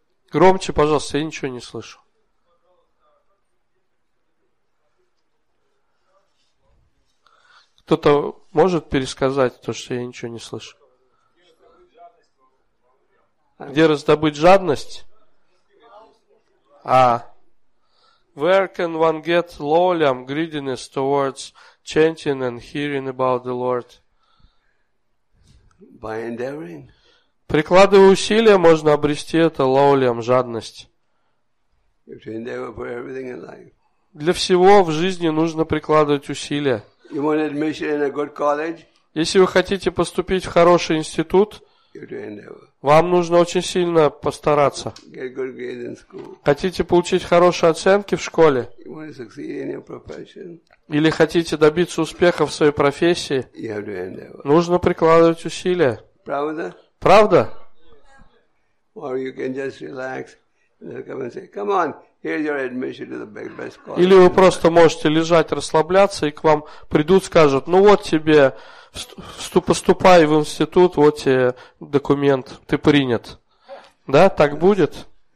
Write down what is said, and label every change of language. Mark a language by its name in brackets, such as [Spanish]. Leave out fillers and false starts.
[Russian] Громче, пожалуйста, я ничего не слышу. Кто-то может пересказать то, что я ничего не слышу? Где раздобыть жадность? А. [English] Where can one get lowliam, greediness towards chanting and hearing about the Lord? By endeavoring. [Russian] Прикладывая усилия, можно обрести это лоулиам, жадность. [English] You should endeavor for everything in life. [Russian] Для всего в жизни нужно прикладывать усилия. [English] You want admission in a good college? [Russian] Если вы хотите поступить в хороший институт, вам нужно очень сильно постараться. [English] Get good grades in school. [Russian] Хотите получить хорошие оценки в школе? [English] You want to succeed in your profession? [Russian] Или хотите добиться успеха в своей профессии? [English] You have to endeavor. [Russian] Нужно прикладывать усилия. Правда? Правда? [English] Or you can just relax and come and say, come on. Here's your admission to the best college. [Russian] Или вы просто можете лежать, расслабляться, и к вам придут, скажут, ну вот тебе, поступай в институт, вот тебе документ, ты принят. Да, так будет?